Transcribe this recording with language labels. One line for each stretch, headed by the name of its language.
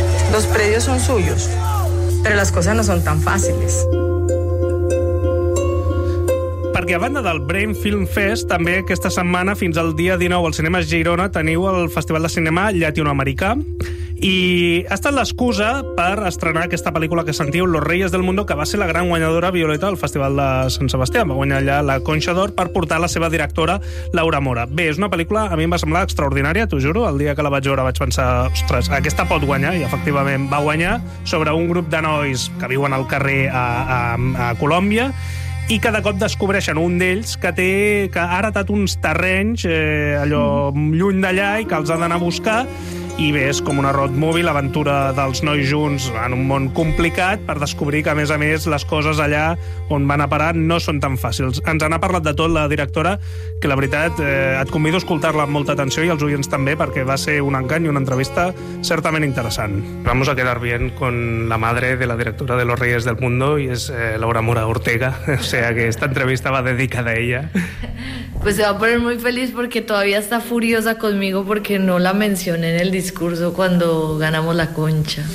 Spanish: Los predios son suyos, pero las cosas no son tan fáciles.
Catalan: Perquè a banda del Brain Film Fest, també aquesta setmana, fins al dia 19, al Cinema Girona, teniu el Festival de Cinema Llatinoamericà. I ha estat l'excusa per estrenar aquesta pel·lícula que sentiu, Los Reyes del Mundo, que va ser la gran guanyadora Violeta del Festival de Sant Sebastià. Va guanyar allà la Conxa d'Or per portar la seva directora, Laura Mora. Bé, és una pel·lícula, a mi em va semblar extraordinària, t'ho juro. El dia que la vaig veure vaig pensar, ostres, aquesta pot guanyar, i efectivament va guanyar, sobre un grup de nois que viuen al carrer a Colòmbia, i cada cop descobreixen un d'ells que ha heretat uns terrenys allò lluny d'allà i que els ha d'anar a buscar. I bé, és com una road movie, l'aventura dels nois junts en un món complicat per descobrir que, a més, les coses allà on van a parar no són tan fàcils. Ens n'ha parlat de tot la directora, que la veritat et convido a escoltar-la amb molta atenció, i els oients també, perquè va ser un encant i una entrevista certament interessant.
Spanish: Vamos a quedar bien con la madre de la directora de Los Reyes del Mundo, y es Laura Mora Ortega, o sea que esta entrevista va dedicada a ella. Pues se va a poner muy feliz porque todavía está furiosa conmigo porque no la mencioné en el discurso cuando ganamos la Concha.